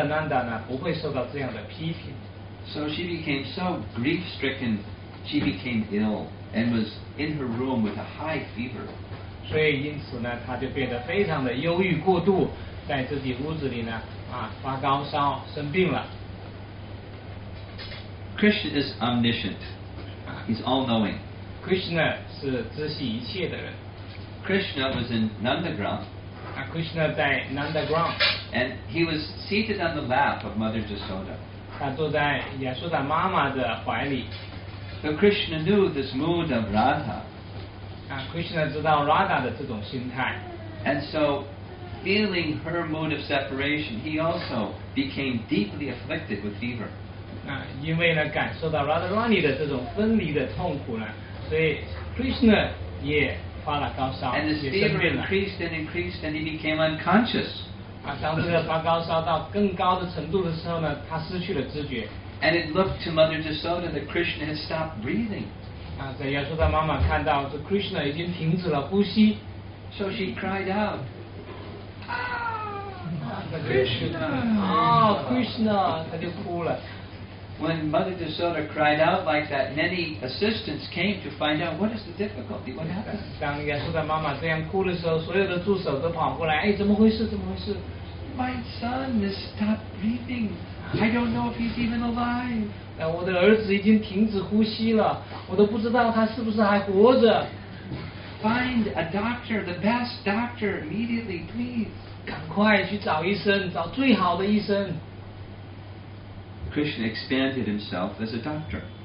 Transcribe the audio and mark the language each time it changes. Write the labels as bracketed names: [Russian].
[Chinese] 仅仅是因为我和他之间的这种爱的关系，人们就这样的去批评他，最好我还不如放弃我的生命，让这个Nanda呢不会受到这样的批评。 [English] So she became so grief-stricken, she became ill and was in her room with a high fever. [Chinese] 所以因此呢，他就变得非常的忧郁过度，在自己屋子里呢发高烧生病了。 [English] Krishna is omniscient. He's all-knowing. [Chinese] Krishna 是知悉一切的人。 [English] Krishna was in Nandagram. [Chinese] Krishna 在 Nandagram. [English] And he was seated on the lap of Mother Yashoda. [Chinese] 他坐在 Yashoda 妈妈的怀里。 [English] So Krishna knew this mood of Radha. [Chinese] Krishna 知道 Radha 的这种心态。 [English] And so feeling her mood of separation, he also became deeply afflicted with fever. [Chinese] 因为呢感受到 Radha Rani 的这种分离的痛苦呢，所以 Krishna 也发了高烧。 [English] And his fever increased and increased, and he became unconscious. [Chinese] 当这个发高烧到更高的程度的时候呢，他失去了知觉。 [English] And it looked to Mother Jasoda that Krishna had stopped breathing. [Chinese] 在亚瑟的妈妈看到这 Krishna 已经停止了呼吸。 [English] So she cried out, [Chinese] Krishna! Krishna! 她就哭了。 [English] When Mother Jasoda cried out like that, many assistants came to find out what is the difficulty, what happened. [Chinese] 当亚瑟的妈妈这样哭的时候，所有的助手都跑过来，哎，怎么回事？怎么回事？ [English] My son has stopped breathing. I don't know if he's even alive. [Chinese] 我的儿子已经停止呼吸了，我都不知道他是不是还活着。 [English] Find a doctor, the best doctor, immediately, please. [Chinese] 赶快去找医生，找最好的医生。 [English] Krishna expanded himself as a doctor.